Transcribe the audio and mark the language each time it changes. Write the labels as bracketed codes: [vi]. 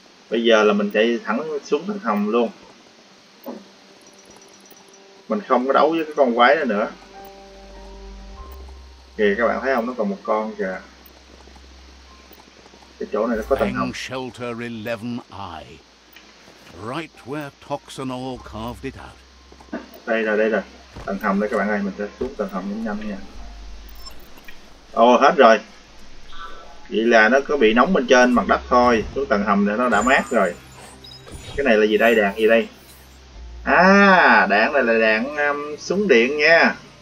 [vi] Bây giờ là mình chạy thẳng xuống thành hầm luôn. Mình không có đấu với cái con quái này nữa. Kìa các bạn thấy không, nó còn một con kìa. Cái chỗ này nó có tầng hầm. [en] Shelter 11i. Right where Toxinol carved it out. [vi] Đây rồi, đây rồi. Tầng hầm đây các bạn ơi, mình sẽ xuống tầng hầm nhanh nha. Ồ, hết rồi. Vậy là nó có bị nóng bên trên mặt đất thôi. Xuống tầng hầm này nó đã mát rồi. Cái này là gì đây, đạn gì đây? À, đạn này là đạn súng điện nha.